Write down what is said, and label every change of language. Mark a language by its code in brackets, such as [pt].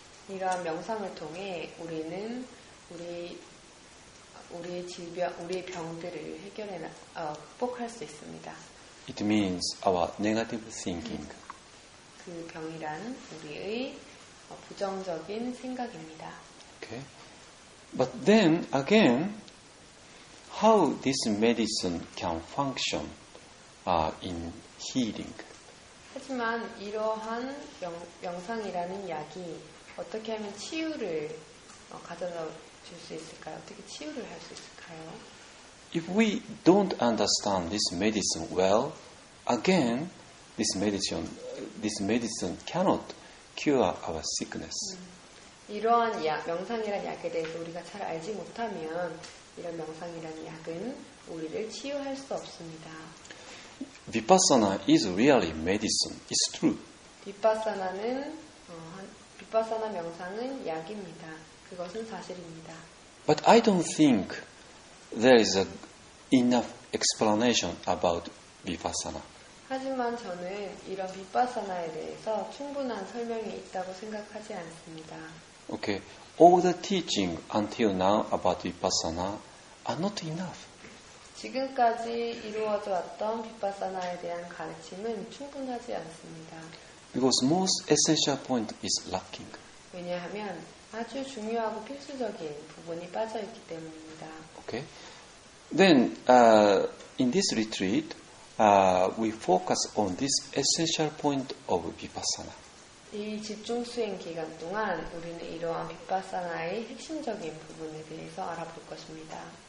[ko] 이러한 명상을 통해 우리는 우리의 질병, 우리의 병들을 해결해, 극복할 수 있습니다. [en] It means our negative thinking. [ko] 그 병이란 우리의 부정적인 생각입니다. [en] Okay. But then again, how this medicine can function in healing? [ko] 하지만 이러한 명상이라는 약이 어떻게 하면 치유를 가져다 줄 수 있을까요? 어떻게 치유를 할 수 있을까요? [en] If we don't understand this medicine well, again, this medicine cannot cure our sickness. [ko] 이러한 약, 명상이라는 약에 대해서 우리가 잘 알지 못하면 이런 명상이라는 약은 우리를 치유할 수 없습니다. [en] Vipassana is really medicine. It's true. [ko] Vipassana 명상은 약입니다. 그것은 사실입니다. [en] But I don't think there is enough explanation about Vipassana. [ko] 하지만 저는 이런 Vipassana에 대해서 충분한 설명이 있다고 생각하지 않습니다. [en] Okay. All the teaching until now about Vipassana are not enough. [ko] 지금까지 이루어져 왔던 비파사나에 대한 가르침은 충분하지 않습니다. [en] Because most essential point is lacking. [ko] 왜냐하면 아주 중요하고 필수적인 부분이 빠져 있기 때문입니다. [en] Okay. Then in this retreat, we focus on this essential point of Vipassana. [ko] 이 집중 수행 기간 동안 우리는 이러한 비파사나의 핵심적인 부분에 대해서 알아볼 것입니다.